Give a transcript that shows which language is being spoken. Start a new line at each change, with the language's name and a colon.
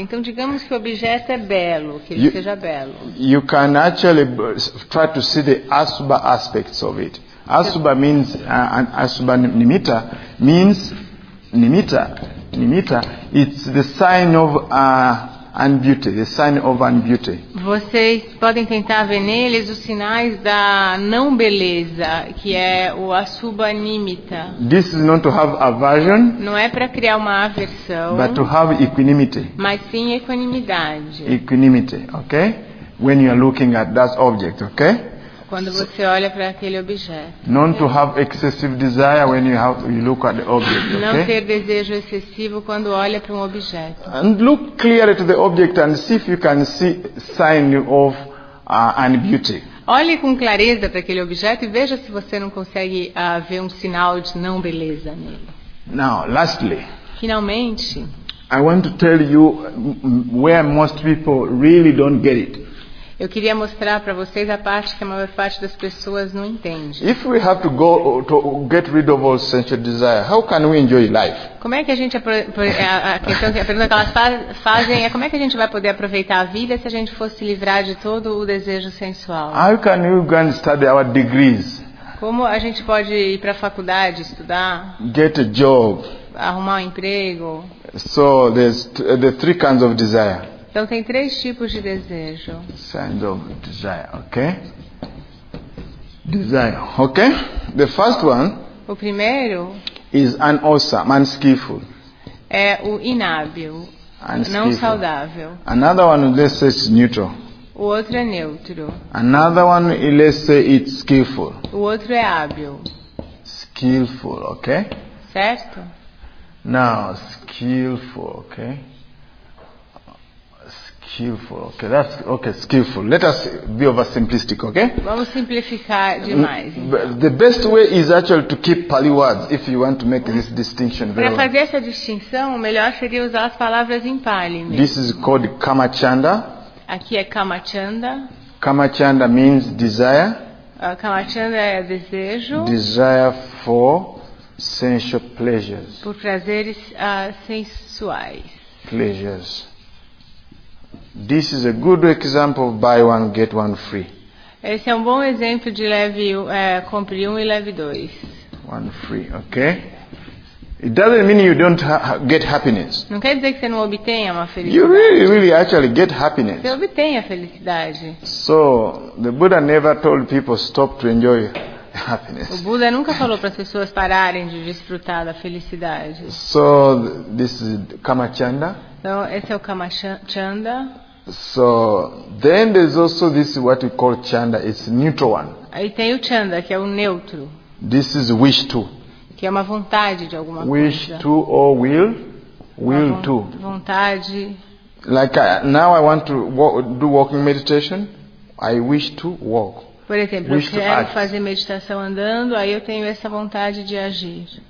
Portuguese: Então, digamos que o objeto é belo, que ele seja belo.
English: You can actually try to see the asubha aspects of it. Asubha means asubha nimitta means nimitta. Nimitta. It's the sign of unbeauty, the sign of unbeauty.
Portuguese: Vocês podem tentar ver neles os sinais da não beleza, que é o asubha nimitta.
English: This is not to have aversion.
Portuguese: Não é para criar uma aversão.
English: But to have equanimity.
Portuguese: Mas sim equanimidade.
English: Equanimity, okay? When you are looking at that object, okay?
Portuguese: Quando você olha para aquele objeto.
English: Not to have excessive desire when you look at the object. Okay?
Portuguese: Não ter desejo excessivo quando olha para um objeto.
English: And look clearly to the object and see if you can see sign of unbeauty.
Portuguese: Olhe com clareza para aquele objeto e veja se você não consegue ver um sinal de não beleza nele.
English: Now, lastly.
Portuguese: Finalmente.
English: I want to tell you where most people really don't get it.
Portuguese: Eu queria mostrar para vocês a parte que a maior parte das pessoas não entende.
English: If we have to go to get rid of all sensual desire, how can we enjoy life?
Portuguese: Como é que a gente a pergunta que elas fazem é como é que a gente vai poder aproveitar a vida se a gente fosse livrar de todo o desejo sensual?
English: How can we go and study our degrees?
Portuguese: Como a gente pode ir para a faculdade estudar?
English: Get a job.
Portuguese: Arrumar um emprego.
English: So there's the three kinds of desire.
Portuguese: Então tem três tipos de desejo.
English: Signs of desire, okay? Desire, okay? The first one.
Portuguese: O primeiro.
English: Is unwholesome, unskillful.
Portuguese: É o inábil, não saudável.
English: Another one, let's say it's neutral.
Portuguese: O outro é neutro.
English: Another one, let's say it's skillful.
Portuguese: O outro é hábil.
English: Skillful, okay?
Portuguese: Certo.
English: Now, skillful, okay? Skillful. Okay, that's okay. Skillful. Let us be over simplistic. Okay.
Portuguese: Vamos simplificar demais. Então.
English: The best way is actually to keep Pali words if you want to make this distinction.
Portuguese: Para fazer essa distinção, o melhor seria usar as palavras em Pali. Mesmo.
English: This is called Kama Chanda.
Portuguese: Aqui é Kama Chanda.
English: Kama Chanda means desire.
Portuguese: Kama Chanda é desejo.
English: Desire for sensual pleasures.
Portuguese: Por prazeres sensuais.
English: Pleasures. This is a good example of buy one get one free.
Portuguese: Esse é um bom exemplo de leve compre um e leve dois.
English: One free, okay? It doesn't mean you don't get happiness.
Portuguese: Não quer dizer que você não obtenha uma felicidade.
English: You really, really actually get happiness.
Portuguese: Você obtenha felicidade.
English: So the Buddha never told people stop to enjoy happiness.
Portuguese: O Buda nunca falou para as pessoas pararem de desfrutar da felicidade.
English: So this is Kama Chanda.
Portuguese: Então, esse é o Kama Chanda.
English: So, then there's also this what we call Chanda. It's a neutral one.
Portuguese: Aí tem o Chanda, que é o neutro.
English: This is wish to. Que é uma vontade de alguma wish Wish to or will? Will to.
Portuguese: Vontade.
English: Like now I want to do walking meditation. I wish to walk.
Portuguese: Por exemplo, wish eu quero fazer meditação andando, aí eu tenho essa vontade de agir.